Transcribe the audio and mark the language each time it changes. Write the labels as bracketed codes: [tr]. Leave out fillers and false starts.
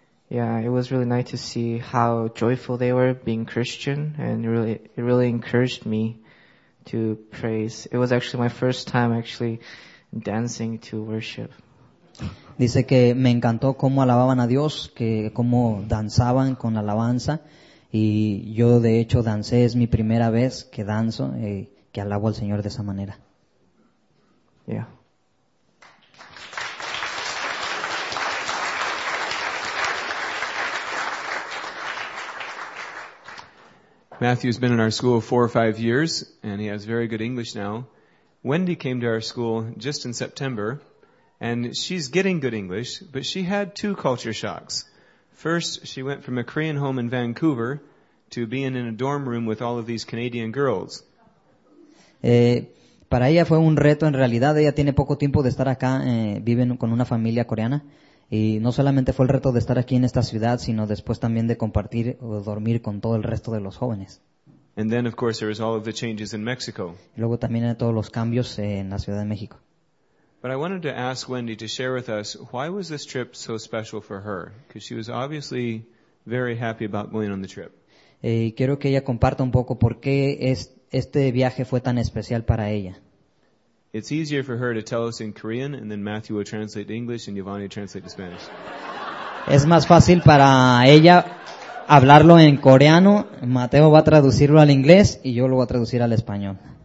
[en] It was really nice to see how joyful they were being Christian, and it really encouraged me to praise. It was actually my first time actually dancing to worship. [es] Dice que me encantó cómo alababan a Dios, que cómo danzaban con la alabanza, y yo de hecho dancé, es mi primera vez que danzo y que alabo al Señor de esa manera. Yeah. Matthew's been in our school 4 or 5 years, and he has very good English now. Wendy came to our school just in September, and she's getting good English, but she had 2 culture shocks. First, she went from a Korean home in Vancouver to being in a dorm room with all of these Canadian girls. Para ella fue un reto en realidad. Ella tiene poco tiempo de estar acá, vive con una familia coreana. Y no solamente fue el reto de estar aquí en esta ciudad, sino después también de compartir o dormir con todo el resto de los jóvenes. [en] And then, of course, there was all of the changes in Mexico. [es] Y luego también hay todos los cambios en la Ciudad de México. [en] But I wanted to ask Wendy to share with us, why was this trip so special for her? Because she was obviously very happy about going on the trip. [es] Quiero que ella comparta un poco por qué este viaje fue tan especial para ella. [en] It's easier for her to tell us in Korean, and then Matthew will translate to English, and Giovanni translate to Spanish. [es] Es más fácil para ella hablarlo en coreano. Mateo va a traducirlo al inglés, y yo lo voy a traducir al español.